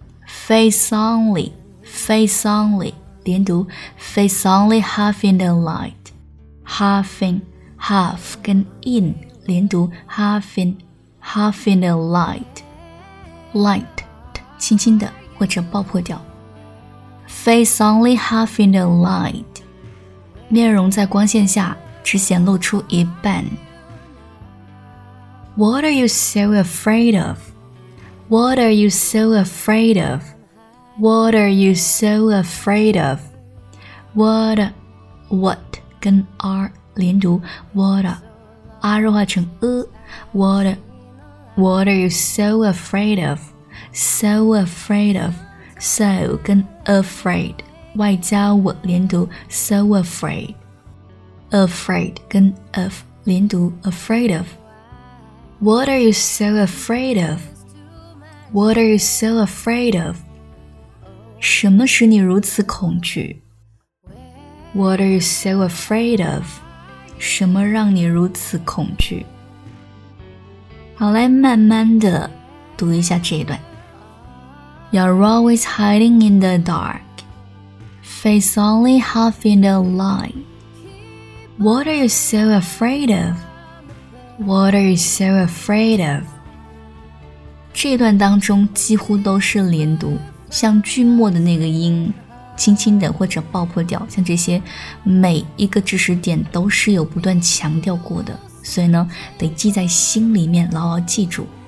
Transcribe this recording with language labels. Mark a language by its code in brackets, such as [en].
[en] Face only. Face only. [zh] 连读 [en] Face only half in the light. Half in. Half [zh] 跟 [en] in [zh] 连读 [en] Half in. Half in the light. Light [zh] 轻轻的或者爆破掉 [en] Face only half in the light. [zh] 面容在光线下只显露出一半。 [en] What are you so afraid of? What are you so afraid of? What are you so afraid of? What? What? [zh] 跟 [en] R [zh] 连读 [en] What? [zh] R 弱化成 E. [en] What? What are you so afraid of? So afraid of. So [zh] 跟 [en] afraid [zh] 外加 [en] W [zh] 连读 [en] So afraid. Afraid [zh] 跟 [en] F [zh] 连读 [en] Afraid of. What are you so afraid of? What are you so afraid of? [zh] 什么使你如此恐惧? [en] What are you so afraid of? [zh] 什么让你如此恐惧? 好，来慢慢的读一下这一段。 [en] You're always hiding in the dark. Face only half in the light. What are you so afraid of? What are you so afraid of? [zh] 这段当中几乎都是连读，像句末的那个音，轻轻的或者爆破掉，像这些每一个知识点都是有不断强调过的，所以呢，得记在心里面，牢牢记住。